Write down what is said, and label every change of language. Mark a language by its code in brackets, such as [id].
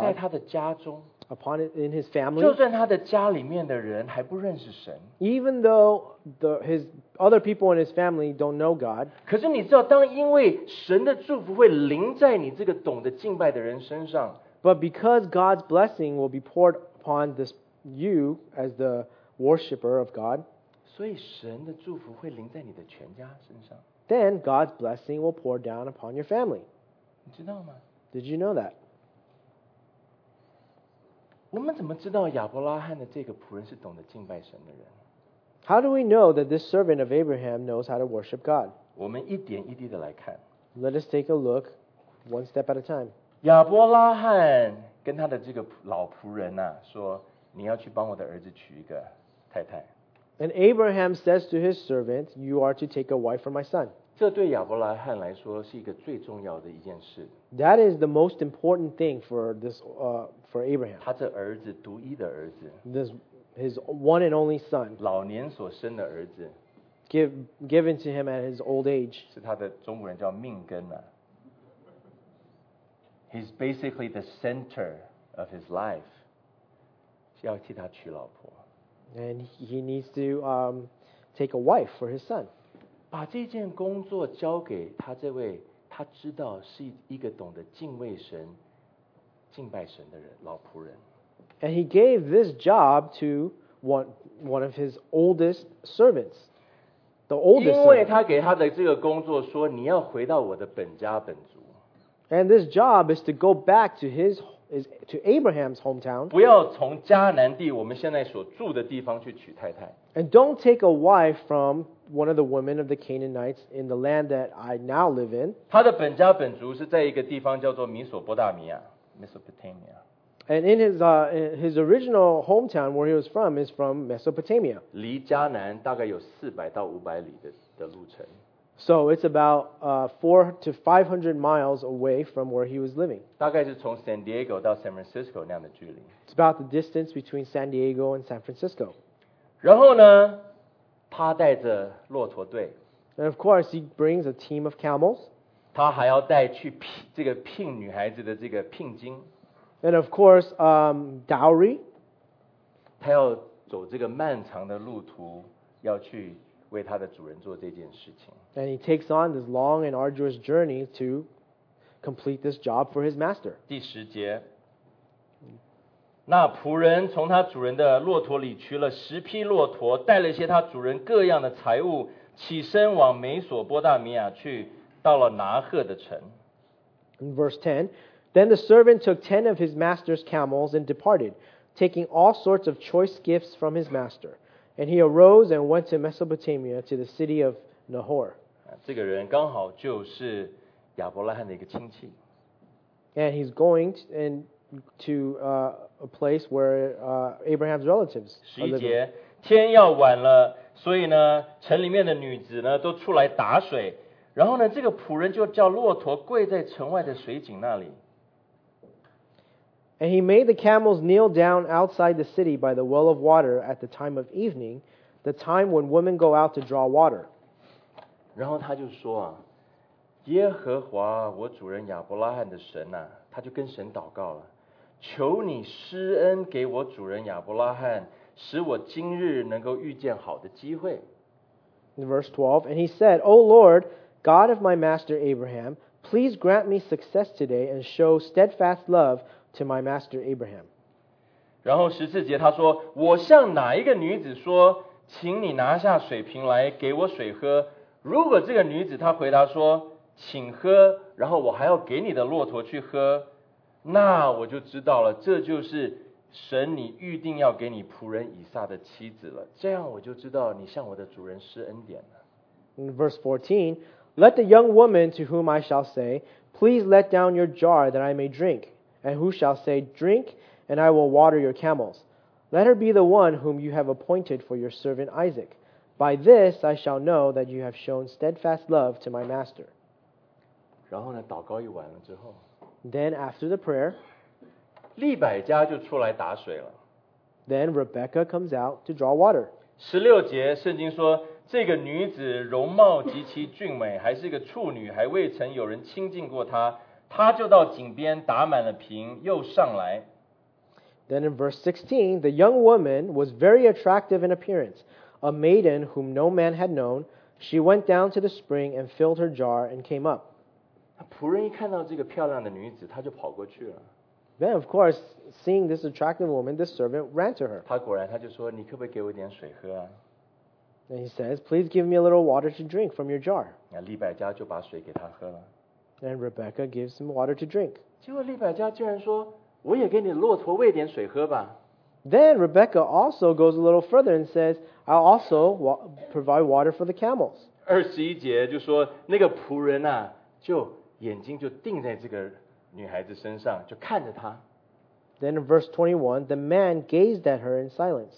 [zh] 在他的家中, [en] upon it in his family, [zh] 就算他的家里面的人还不认识神, [en] even though his other people in his family don't know God, [zh] 可是你知道，当因为神的祝福会临在你这个懂得敬拜的人身上, [en] but because God's blessing will be poured upon this you as the worshiper of God, [zh] 所以神的祝福会临在你的全家身上, [en] then God's blessing will pour down upon your family. [zh] 你知道吗? [en] Did you know that? [zh] 我们怎么知道亚伯拉罕的这个仆人是懂得敬拜神的人? [en] How do we know that this servant of Abraham knows how to worship God? [zh] 我们一点一滴的来看。 [en] Let us take a look one step at a time. [zh] 亚伯拉罕跟他的这个老仆人啊，说，你要去帮我的儿子娶一个太太。 [en] And Abraham says to his servant, you are to take a wife for my son. [zh] 这对亚伯拉罕来说是一个最重要的一件事。 [en] That is the most important thing for this, for Abraham. [zh] 他这儿子独一的儿子。 [en] This his one and only son. [zh] 老年所生的儿子。 [en] Given to him at his old age. [zh] 是他的中国人叫命根啊。 [en] He's basically the center of his life. [zh] 是要替他娶老婆。 [en] And he needs to take a wife for his son. [zh] 把这件工作交给他这位他知道是一个懂得敬畏神敬拜神的人老仆人。 [en] And he gave this job to one of his oldest servants. The oldest servant. [zh] 因为他给他的这个工作说你要回到我的本家本族。 [en] And this job is to go back to to Abraham's hometown. [zh] 不要从迦南地我们现在所住的地方去娶太太。 [en] And don't take a wife from one of the women of the Canaanites in the land that I now live in. [zh] 他的本家本族是在一个地方叫做米索波大米亚 Mesopotamia. [en] And in his original hometown where he was from is from Mesopotamia. [zh] 离迦南大概有400到500里 的路程。 [en] So it's about 400 to 500 miles away from where he was living. [zh] 大概是从 San Diego 到 San Francisco 那样的距离。 [en] It's about the distance between San Diego and San Francisco. [zh] 然后呢，他带着骆驼队。 [en] And of course, he brings a team of camels. [zh] 他还要带去聘女孩子的这个聘金。 [en] And of course, dowry. [zh] 他要走这个漫长的路途，要去。为他的主人做这件事情。 [en] And he takes on this long and arduous journey to complete this job for his master. [zh] 第十节，那仆人从他主人的骆驼里取了十匹骆驼，带了些他主人各样的财物，起身往美索波大米亚去，到了拿赫的城。 [en] In verse 10, then the servant took 10 of his master's camels and departed, taking all sorts of choice gifts from his master. And he arose and went to Mesopotamia to the city of Nahor. [zh] 这个人刚好就是亚伯拉罕的一个亲戚。 [en] And he's going to a place where Abraham's relatives are living. [zh] 十一节，天要晚了，所以呢，城里面的女子呢都出来打水。然后呢，这个仆人就叫骆驼跪在城外的水井那里。 [en] And he made the camels kneel down outside the city by the well of water at the time of evening, the time when women go out to draw water. [zh] 然后他就说啊，耶和华我主人亚伯拉罕的神啊，他就跟神祷告了，求你施恩给我主人亚伯拉罕，使我今日能够遇见好的机会。 [en] In verse 12, and he said, O Lord, God of my master Abraham, please grant me success today and show steadfast love to my master Abraham. [zh] 然后十四节他说，我向哪一个女子说，请你拿下水瓶来给我水喝，如果这个女子她回答说，请喝，然后我还要给你的骆驼去喝，那我就知道了，这就是神你预定要给你仆人以撒的妻子了，这样我就知道你向我的主人施恩典了。 [en] Verse 14, Let the young woman to whom I shall say, Please let down your jar that I may drink, and who shall say, Drink, and I will water your camels. Let her be the one whom you have appointed for your servant Isaac. By this I shall know that you have shown steadfast love to my master. [zh] 然后呢，祷告一晚了之后， [en] Then after the prayer, [zh] 利百加就出来打水了。 [en] Then Rebecca comes out to draw water. [zh] 十六节圣经说，这个女子容貌极其俊美，还是个处女，还未曾有人亲近过她。她就到井边打满了瓶，又上来。 [en] Then in verse 16, the young woman was very attractive in appearance, a maiden whom no man had known. She went down to the spring and filled her jar and came up. [zh] 仆人一看到这个漂亮的女子，她就跑过去了。 [en] Then, of course, seeing this attractive woman, this servant ran to her. [zh] 他果然他就说，你可不可以给我点水喝啊？ [en] And he says, please give me a little water to drink from your jar. [zh] 那利百加就把水给他喝了。 [en] And Rebecca gives him water to drink. [zh] 结果利百加竟然说，我也给你骆驼喂点水喝吧。 [en] Then Rebecca also goes a little further and says, I'll also provide water for the camels. [zh] 二十一节就说，那个仆人啊，就眼睛就定在这个女孩子身上，就看着她。 [en] Then in verse 21, the man gazed at her in silence.